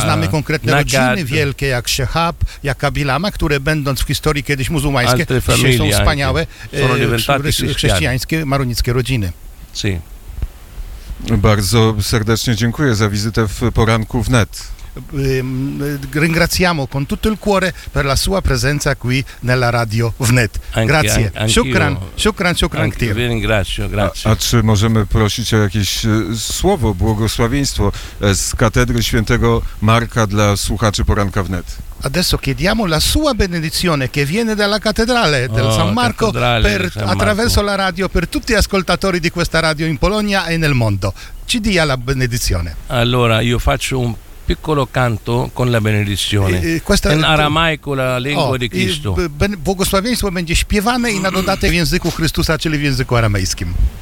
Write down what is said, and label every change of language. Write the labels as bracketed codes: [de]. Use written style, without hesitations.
[pl] Znamy konkretne rodziny wielkie jak Shehab, jak Abilama, które będąc w historii kiedyś muzułmańskie, dzisiaj są wspaniałe, chrześcijańskie, maronickie rodziny. [it] Si. [pl] Bardzo serdecznie dziękuję za wizytę w Poranku Wnet. [it] Ringraziamo con tutto il cuore per la sua presenza qui nella radio Wnet. Grazie. Shukran. Grazie. [pl] A czy możemy prosić o jakieś słowo, błogosławieństwo z katedry świętego Marka dla słuchaczy Poranka Wnet? [it] Adesso chiediamo la sua benedizione che viene dalla cattedrale del San Marco attraverso la radio per tutti gli ascoltatori di questa radio in Polonia e nel mondo. Ci dia la benedizione. Allora io faccio un piccolo canto con la benedizione in aramaico, la lingua di Cristo. [pl] Błogosławieństwo będzie śpiewane i na dodatek w języku Chrystusa, czyli w języku aramejskim.